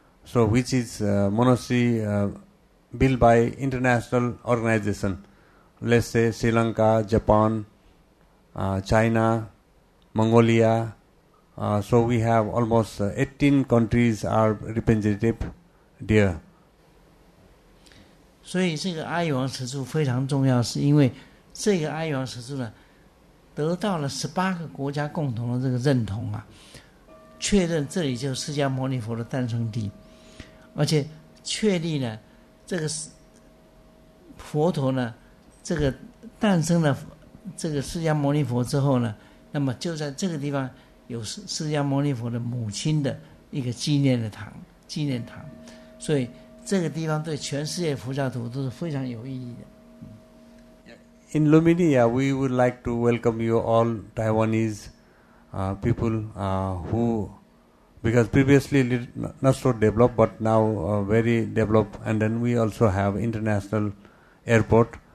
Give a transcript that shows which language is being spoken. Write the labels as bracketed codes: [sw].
[en] So which is monastery. Built by international organization, let's say Sri Lanka, Japan, China, Mongolia. So we have almost 18 countries are representative there. [zh] 所以这个阿育王石柱非常重要，是因为这个阿育王石柱呢，得到了18个国家共同的这个认同啊，确认这里就是释迦牟尼佛的诞生地，而且确立呢。这个佛陀呢，这个诞生了这个释迦牟尼佛之后呢，那么就在这个地方有释迦牟尼佛的母亲的一个纪念的堂，纪念堂，所以这个地方对全世界佛教徒都是非常有意义的。 [en] In Lumbini, we would like to welcome you all Taiwanese people who. Because previously not so developed, but now very developed, and then we also have international airport.